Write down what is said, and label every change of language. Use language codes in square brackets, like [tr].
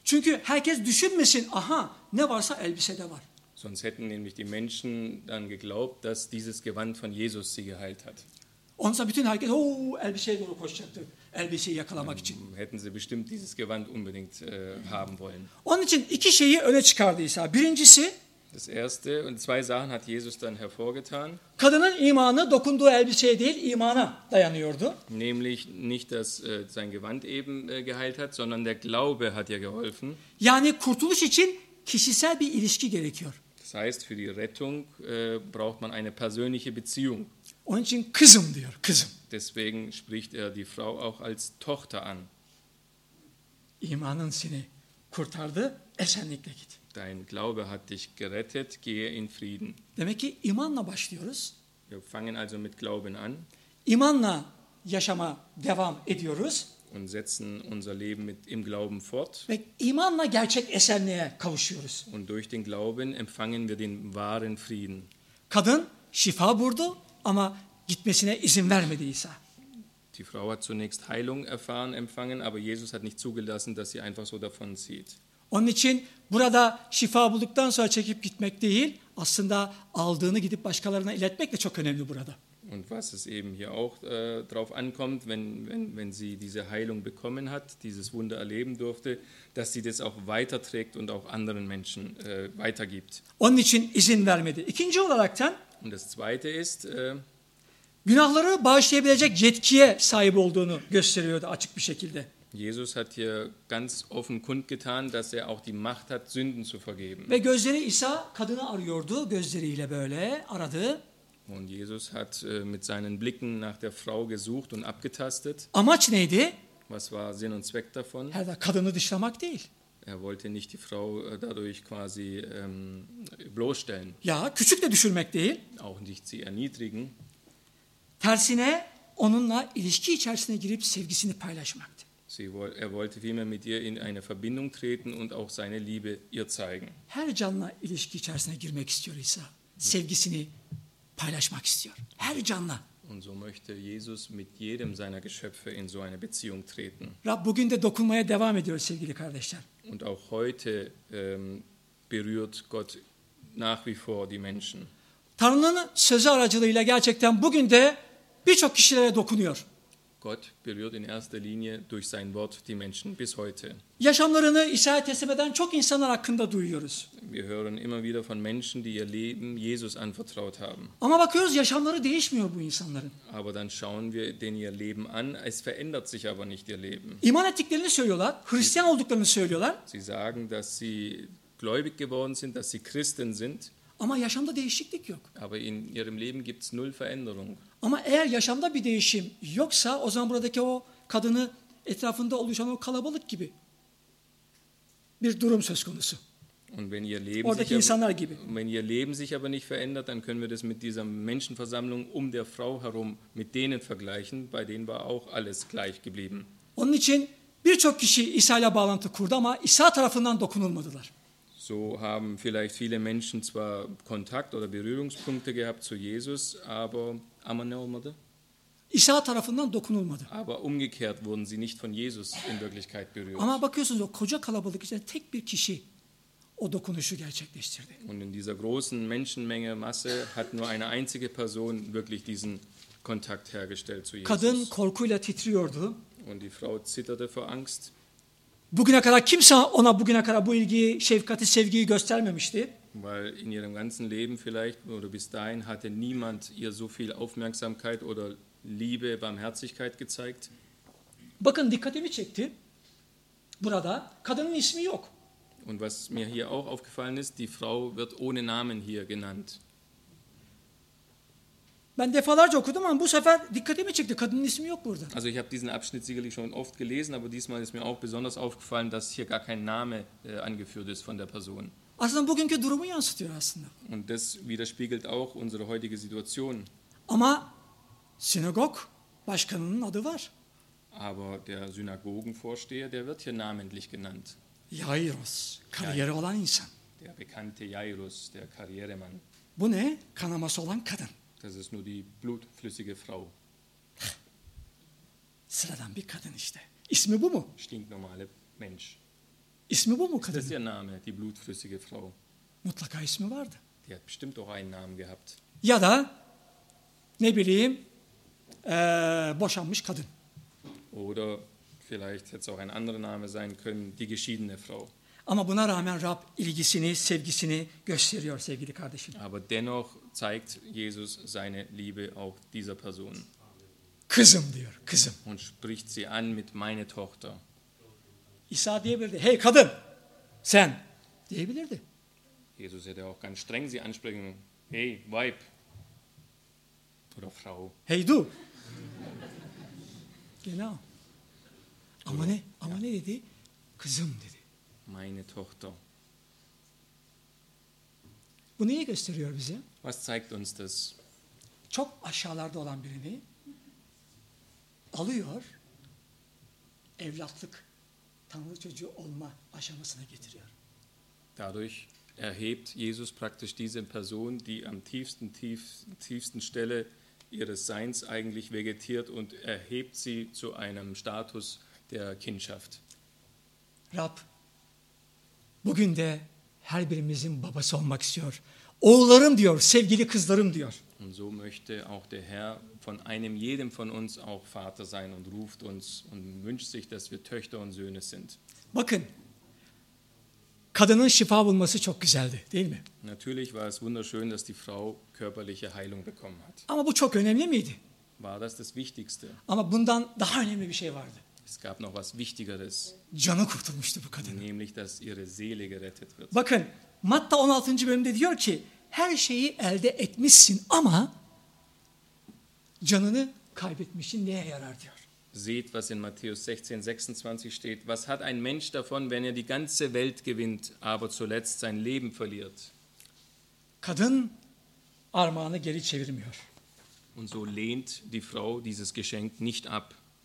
[tr] Çünkü herkes düşünmesin, aha ne varsa elbisede var. [de] Sonst hätten nämlich die Menschen dann geglaubt, dass dieses Gewand von Jesus sie geheilt hat. [tr] Onsa bütün herkes o elbiseye doğru koşacaktı. Elbiseyi yakalamak için. [de] Hätten sie bestimmt dieses Gewand unbedingt haben wollen. [tr] Onun için iki şeyi öne çıkardı İsa. Birincisi, [de] das erste und zwei Sachen hat Jesus dann hervorgetan. [tr] Kadının imanı dokunduğu elbiseye değil, imana dayanıyordu. [de] Nämlich nicht, dass sein Gewand eben geheilt hat, sondern der Glaube hat ihr geholfen. [tr] Yani kurtuluş için kişisel bir ilişki gerekiyor. [de] Das heißt, für die Rettung braucht man eine persönliche Beziehung. [tr] Onun için kızım diyor, kızım. [de] Deswegen spricht er die Frau auch als Tochter an. [tr] İmanın seni kurtardı, esenlikle git. [de] Dein Glaube hat dich gerettet, gehe in Frieden. [tr] Demek ki imanla başlıyoruz. [de] Wir fangen also mit Glauben an. [tr] İmanla yaşama devam ediyoruz. [de] Und setzen unser Leben mit im Glauben fort. [tr] Ve imanla gerçek esenliğe kavuşuyoruz. [de] Und durch den Glauben empfangen wir den wahren Frieden. [tr] Kadın şifa buldu ama gitmesine izin vermedi İsa. [de] Die Frau hat zunächst Heilung erfahren, empfangen, aber Jesus hat nicht zugelassen, dass sie einfach so davonzieht. [tr] Onun için burada şifa bulduktan sonra çekip gitmek değil, aslında aldığını gidip başkalarına iletmek de çok önemli burada. [de] Und was es eben hier auch drauf ankommt, wenn sie diese Heilung bekommen hat, dieses Wunder erleben durfte, dass sie das auch weiterträgt und auch anderen Menschen weitergibt. [tr] Onun için izin vermedi. İkinci olarak da. [de] Und das zweite ist. [tr] Günahları bağışlayabilecek yetkiye sahip olduğunu gösteriyordu açık bir şekilde. [de] Jesus hat hier ganz offen kundgetan, dass er auch die Macht hat, Sünden zu vergeben. [tr] Ve gözleri İsa kadını arıyordu, gözleriyle böyle aradı. [de] Und Jesus hat mit seinen Blicken nach der Frau gesucht und abgetastet. [tr] Amaç neydi? [de] Was war Sinn und Zweck davon? [tr] Herde, kadını dışlamak değil. [de] Er wollte nicht die Frau dadurch quasi bloßstellen. [tr] Ja, küçük de düşürmek değil. [de] Auch nicht sie erniedrigen. [tr] Tersine onunla ilişki içerisine girip sevgisini paylaşmaktı. [de] Er wollte vielmehr mit ihr in eine Verbindung treten und auch seine Liebe ihr zeigen. [tr] Her canla ilişki içerisine girmek istiyor İsa. Sevgisini paylaşmak istiyor. Her canla. [de] Und so möchte Jesus mit jedem seiner Geschöpfe in so eine Beziehung treten. [tr] Rab bugün de dokunmaya devam ediyor sevgili kardeşler. [de] Und auch heute berührt Gott nach wie vor die Menschen. [tr] Tanrı'nın sözü aracılığıyla gerçekten bugün de birçok kişilere dokunuyor. [de] Gott berührt in erster Linie durch sein Wort die Menschen bis heute. [tr] Yaşamlarını İsa'ya teslim eden çok insanlar hakkında duyuyoruz. [de] Wir hören immer wieder von Menschen, die ihr Leben Jesus anvertraut haben. [tr] Ama bakıyoruz yaşamları değişmiyor bu insanların. [de] Aber dann schauen wir denen ihr Leben an, es verändert sich aber nicht ihr Leben. [tr] İman ettiklerini söylüyorlar, Hristiyan olduklarını söylüyorlar. [de] Sie sagen, dass sie gläubig geworden sind, dass sie Christen sind. [tr] Ama yaşamda değişiklik yok. [de] Aber in ihrem Leben gibt's null Veränderung. [tr] Ama eğer yaşamda bir değişim yoksa o zaman buradaki o kadını etrafında oluşan o kalabalık gibi bir durum söz konusu. [de] Und wenn ihr Leben [tr] oradaki [de] sich [tr] insanlar gibi. [de] Wenn ihr Leben sich aber nicht verändert, dann können wir das mit dieser Menschenversammlung um der Frau herum mit denen vergleichen, bei denen war auch alles gleich geblieben. [tr] Onun için birçok kişi İsa ile bağlantı kurdu ama İsa tarafından dokunulmadılar. [de] So haben vielleicht viele Menschen zwar Kontakt oder Berührungspunkte gehabt zu Jesus, aber [tr] ne olmadı? İsa tarafından dokunulmadı. [de] Aber umgekehrt wurden sie nicht von Jesus in Wirklichkeit berührt. [tr] Ama bakıyorsunuz o koca kalabalık içinde tek bir kişi o dokunuşu gerçekleştirdi. [de] Und in dieser großen Menschenmenge, Masse hat nur eine einzige Person wirklich diesen Kontakt hergestellt zu Jesus. [tr] Kadın korkuyla titriyordu. [de] Und die Frau zitterte vor Angst. [tr] Bugüne kadar kimse ona bugüne kadar bu ilgiyi, şefkati, sevgiyi göstermemişti. [de] Weil in ihrem ganzen Leben vielleicht oder bis dahin hatte niemand ihr so viel Aufmerksamkeit oder Liebe, Barmherzigkeit gezeigt. [tr] Bakın dikkatimi çekti. Burada kadının ismi yok. [de] Und was mir hier auch aufgefallen ist, die Frau wird ohne Namen hier genannt. [tr] Ben defalarca okudum ama bu sefer dikkatimi çekti. Kadının ismi yok burada. [de] Also ich habe diesen Abschnitt sicherlich schon oft gelesen, aber diesmal ist mir auch besonders aufgefallen, dass hier gar kein Name angeführt ist von der Person. [tr] Aslında bugünkü durumu yansıtıyor aslında. [de] Und das widerspiegelt auch unsere heutige Situation. [tr] Ama sinagog başkanının adı var. [de] Aber der Synagogenvorsteher, der wird hier namentlich genannt. [tr] Jairus, kariyeri olan insan. [de] Der bekannte Jairus, der Karrieremann. [tr] Bu ne? Kanaması olan kadın. [de] Das ist nur die blutflüssige Frau. [tr] Sıradan bir kadın işte. İsmi bu mu? [de] Stinknormale Mensch. [tr] İsmi bu mu kadın? [de] Das ist ihr Name, die blutflüssige Frau. [tr] Mutlaka ismi vardı. [de] Die hat bestimmt auch einen Namen gehabt. [tr] Ya da ne bileyim boşanmış kadın. [de] Oder vielleicht hätte es auch ein anderer Name sein können, die geschiedene Frau. [tr] Ama buna rağmen Rab ilgisini, sevgisini gösteriyor sevgili kardeşim. [de] Aber dennoch zeigt Jesus seine Liebe auch dieser Person. [tr] Kızım diyor, kızım. [de] Und spricht sie an mit meine Tochter. [tr] İsa diyebilirdi, hey kadın, sen diyebilirdi. [de] Jesus hätte auch ganz streng sie ansprechen, hey Weib oder Frau. Hey du. Genau. [tr] Ama ne, ama ja. Ne dedi? Kızım dedi. [de] Meine Tochter. [tr] Bu neyi gösteriyor bize? [de] Was zeigt uns das? [tr] Çok aşağılarda olan birini alıyor, evlatlık, Tanrı çocuğu olma aşamasına getiriyor. [de] Dadurch erhebt Jesus praktisch diese Person, die am tiefsten Stelle ihres Seins eigentlich vegetiert und erhebt sie zu einem Status der Kindschaft. [tr] Rab, Bugün de her birimizin babası olmak istiyor. Oğullarım diyor, sevgili kızlarım diyor. [de] Und so möchte auch der Herr von einem jedem von uns auch Vater sein und ruft uns und wünscht sich, dass wir Töchter und Söhne sind. [tr] Bakın, kadının şifa bulması çok güzeldi, değil mi? [de] Natürlich war es wunderschön, dass die Frau körperliche Heilung bekommen hat. [tr] Ama bu çok önemli miydi? [de] War das das Wichtigste? [tr] Ama bundan daha önemli bir şey vardı. [de] Es gab noch was Wichtigeres. [tr] Canı kurtulmuştu bu kadının. [de] Nämlich, dass ihre Seele gerettet wird. [tr] Bakın, Matta 16. bölümde diyor ki, her şeyi elde etmişsin ama canını kaybetmişsin, neye yarar diyor. [de] Seht, was in Matthäus 16:26 steht. Was hat ein Mensch davon, wenn er die ganze Welt gewinnt, aber zuletzt sein Leben verliert? [tr] Kadın armağanı geri çevirmiyor. [de] Und so lehnt die Frau dieses Geschenk nicht ab.